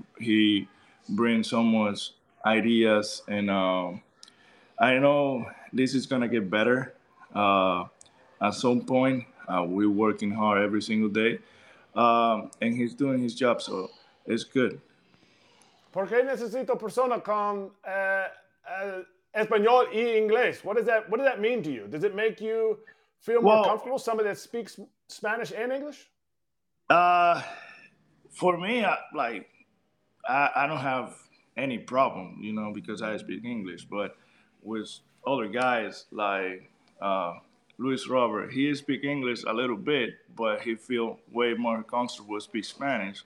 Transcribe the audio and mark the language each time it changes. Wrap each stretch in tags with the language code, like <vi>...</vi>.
<en>He brings so much ideas, and I know this is gonna get better at some point. We're working hard every single day, and he's doing his job, so it's good.</en> <es>¿Por qué necesito persona con español y inglés?</es> <en>What does that mean to you? Does it make you feel more comfortable, somebody that speaks Spanish and English? For me, I don't have any problem, you know, because I speak English. But with other guys like Luis Robert, he speaks English a little bit, but he feel way more comfortable speaking Spanish.</en>